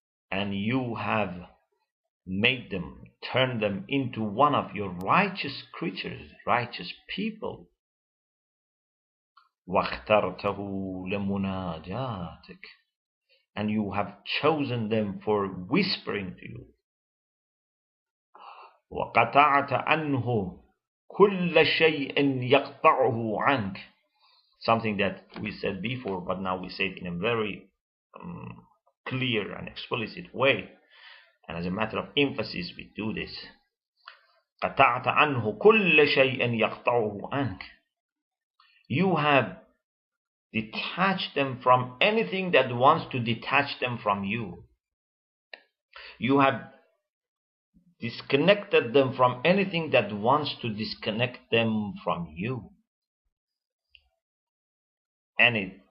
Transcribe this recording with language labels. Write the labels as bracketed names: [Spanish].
[English] And you have made them, turn them into one of your righteous creatures, righteous people. [Arabic] وَاخْتَرْتَهُ لِمُنَاجَاتِكَ. [English] And you have chosen them for whispering to you. [Arabic] وَقَطَعْتَ عَنْهُ كُلَّ شَيْءٍ يَقْطَعُهُ عَنْكَ. [English] Something that we said before, but now we say it in a very clear and explicit way. And as a matter of emphasis, we do this. [Arabic] قَطَعْتَ عَنْهُ كُلَّ شَيْءٍ يَقْطَعُهُ عَنْكَ. [English] You have detached them from anything that wants to detach them from you. You have disconnected them from anything that wants to disconnect them from you. Any